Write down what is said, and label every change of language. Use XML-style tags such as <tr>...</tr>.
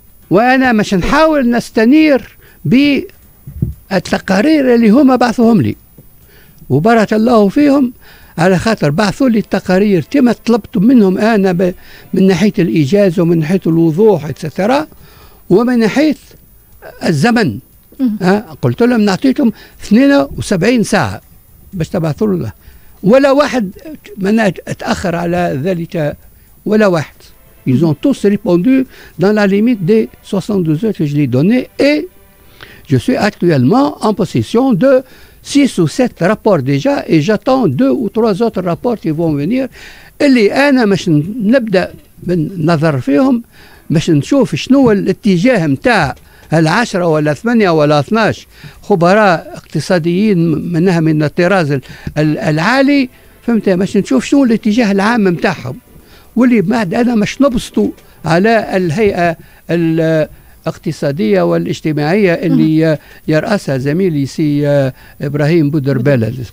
<ar>وانا مش نحاول نستنير بالتقارير اللي هما بعثوهم لي وبارك الله فيهم، على خاطر بعثوا لي التقارير كما طلبت منهم أنا من ناحية الإيجاز ومن ناحية الوضوح إتسترا ومن ناحية الزمن. قلت لهم نعطيتهم 72 ساعة باش تبعثوا له، ولا واحد من أتأخر على ذلك، ولا واحد.</ar> <fr>Ils ont tous répondu dans la limite des 72 heures que je l'ai donné et je suis actuellement en possession de 6 ou 7 rapports déjà et j'attends 2 ou 3 autres rapports qui vont venir.</fr> <ar>اللي انا مش نبدا بالنظر فيهم باش نشوف شنو الاتجاه نتاع ال10 ولا 8 ولا 12 خبراء اقتصاديين منها من الطراز العالي، فهمت؟ باش نشوف شنو الاتجاه العام نتاعهم، واللي بعد انا مش نبسطوا على الهيئه الاقتصادية والاجتماعية اللي يرأسها زميلي سي إبراهيم بودربالة،</ar>